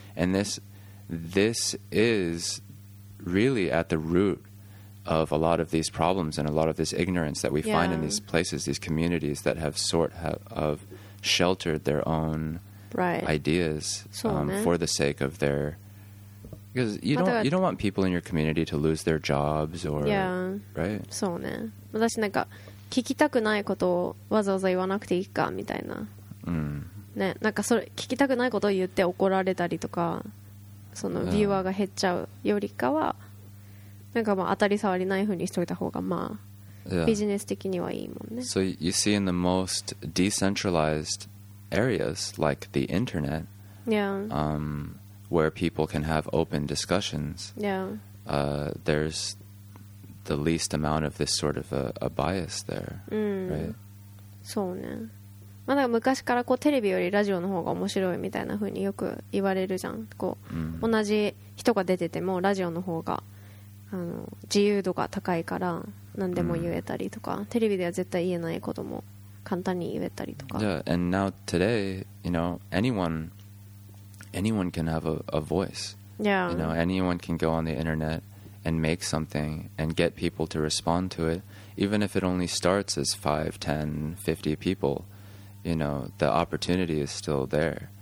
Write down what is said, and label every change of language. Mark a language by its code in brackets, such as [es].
[en] And this is really at the root of a lot of these problems and a lot of this ignorance that we find in these places, these communities that have sheltered their own ideas for the sake of their... Because you don't want people in your community to lose their jobs or... Yeah. Right? [ja] そうね。私なんか聞きたくないことをわざわざ言わなくていいかみたいな。ね。なんかそれ聞きたくないことを言って怒られたりとか、そのビューワーが減っちゃうよりかは、なんかまあ当たり障りないふうにしといた方がまあ、ビジネス的にはいいもんね。 [en] So you see in the most decentralized areas, like the internet... Yeah. Where people can have open discussions, there's the least amount of this sort of a bias there, right? [ja] そうね。まあ、だから昔からこうテレビよりラジオの方が面白いみたいな風によく言われるじゃん。こう、同じ人が出ててもラジオの方が自由度が高いから何でも言えたりとか、テレビでは絶対言えないことも簡単に言えたりとか。 [en] Yeah, and now today, you know, anyone can have a voice. Yeah. You know, anyone can go on the internet and make something and get people to respond to it. Even if it only starts as 5, 10, 50 people, you know, the opportunity is still there.